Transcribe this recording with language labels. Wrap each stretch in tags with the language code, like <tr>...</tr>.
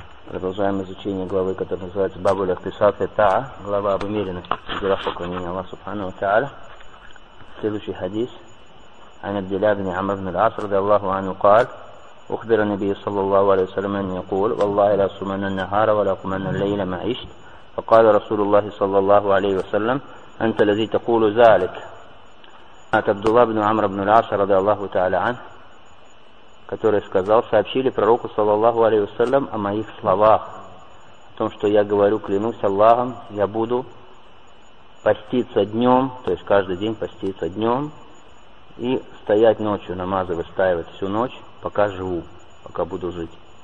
<ru>Продолжаем изучение главы, которая называется Бабуля Писат Эта, глава об умеренности, игра поклонения Аллаху Субхану ва Тааля. Следующий хадис.</ru> <ar>Ан Абдилля бин Амр бин аль-Ас радиаллаху анху قال: أخبر النبي صلى الله عليه وسلم أن يقول: والله لا أصومن النهار ولا أقومن الليل ما عشت. فقال رسول الله صلى الله عليه وسلم: أنت الذي تقول ذلك.</ar> <ru>От Абдулла бин Амр бин аль-Ас радиаллаху тааля ан, который сказал: сообщили пророку, саллаллаху алейхи вассалям, о моих словах, о том, что я говорю, клянусь Аллахом, я буду поститься днем, то есть каждый день поститься днем, и стоять ночью, намазы выстаивать всю ночь, пока живу, пока буду жить.</ru>